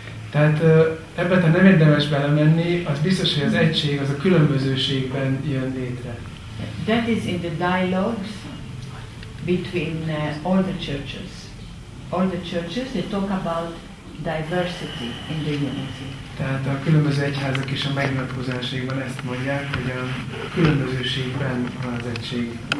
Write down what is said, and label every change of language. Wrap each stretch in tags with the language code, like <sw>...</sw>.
<hu>Tehát ebben te nem érdemes belemenni, az biztos, hogy az egység az a különbözőségben jön létre.</hu> <en>That is in the dialogues between all the churches. All the churches, they talk about diversity in the unity.</en> <hu>Tehát a különböző egyházak is a megnyilatkozásaikban ezt mondják, hogy a különbözőségben van az egység.</hu>